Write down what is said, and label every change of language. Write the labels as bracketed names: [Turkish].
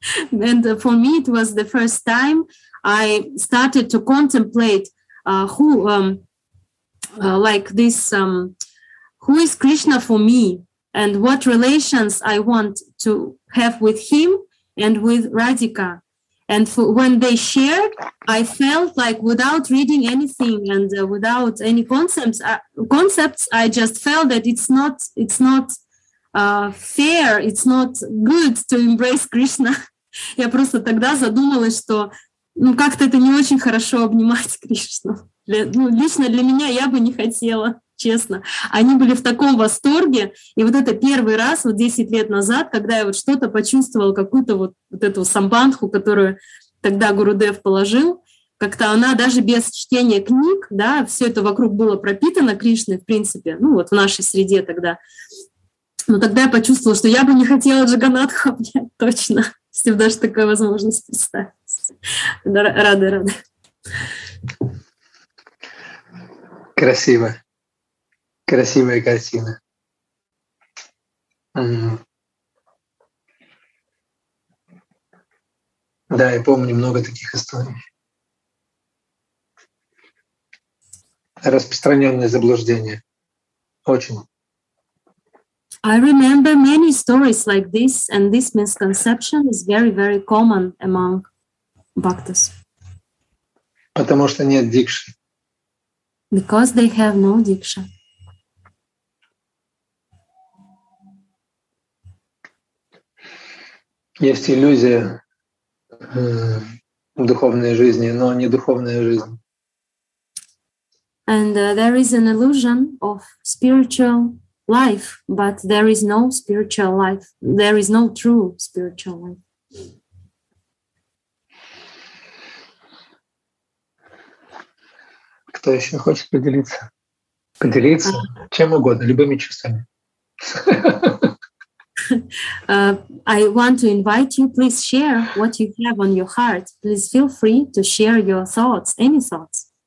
[English] And for me, it was the first time I started to contemplate who is Krishna for me and what relations I want to have with him and with Radhika. And when they shared, I felt like without reading anything and without any concepts, I just felt that it's not fair, it's not good to embrace Krishna. [Russian] Я просто тогда задумалась, что ну как-то это не очень хорошо обнимать Кришну. Ну лично для меня я бы не хотела, честно. Они были в таком восторге, и вот это первый раз, вот 10 лет назад, когда я вот что-то почувствовала, какую-то вот эту самбандху, которую тогда Гурудев положил, как-то она даже без чтения книг, да, все это вокруг было пропитано Кришной, в принципе, ну вот в нашей среде тогда. Но тогда я почувствовала, что я бы не хотела Джаганатху обнять, точно, если бы даже такая возможность представилась. Рада. Красивая картина. Mm. Да, я помню много таких историй. Распространенное заблуждение. Очень. [English] I remember many stories like this, and this misconception is very, very common among bhaktas. [Russian] Потому что нет дикши. [English] Because they have no diksha. [Russian] Есть иллюзия в духовной жизни, но не духовная жизнь. [English] And there is an illusion of spiritual life, but there is no spiritual life. There is no true spiritual life. [Russian] Кто еще хочет поделиться? Поделиться чем угодно, любыми чувствами. [English] I want to invite you, please share what you have on your heart. Please feel free to share your thoughts, any thoughts.